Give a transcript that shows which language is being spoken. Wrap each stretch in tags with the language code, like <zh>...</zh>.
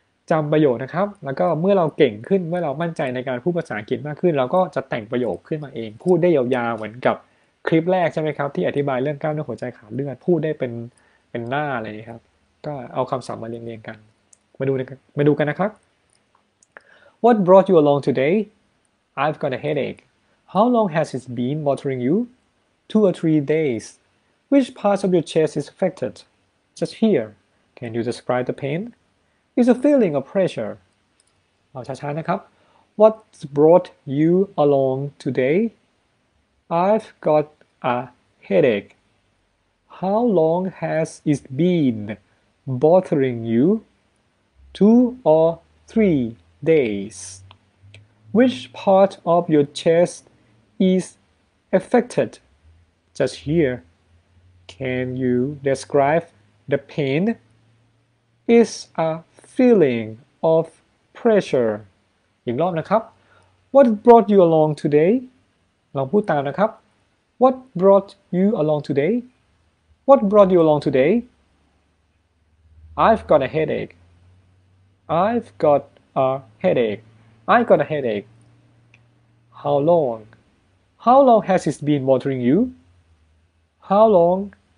<th>จำประโยคนะครับแล้วก็เมื่อเราเก่งขึ้นเมื่อเรามั่นใจในการพูดภาษาอังกฤษมากขึ้นเราก็จะแต่งประโยคขึ้นมาเองพูดได้ยาวๆเหมือนกับคลิปแรกใช่ไหมครับที่อธิบายเรื่องกล้ามเนื้อหัวใจขาดเลือดพูดได้เป็นหน้าอะไรนี่ครับก็เอาคำสั่งมาเรียงๆกันมาดูกันนะครับ</th> <en>What brought you along today? I've got a headache. How long has it been bothering you? 2 or 3 days. Which part of your chest is affected? Just here. Can you describe the pain? It's a feeling of pressure.</en> <th>เอาช้าๆนะครับ</th> <en>What brought you along today? I've got a headache. How long has it been bothering you? 2 or 3 days. Which part of your chest is affected? Just here. Can you describe the pain? It's a feeling of pressure.</en> <th>อีกรอบนะครับ</th> <en>What brought you along today?</en> <th>ลองพูดตามนะครับ</th> <en>What brought you along today? What brought you along today? I've got a headache. I've got a headache. I got a headache. How long? How long has it been bothering you? How long?</en>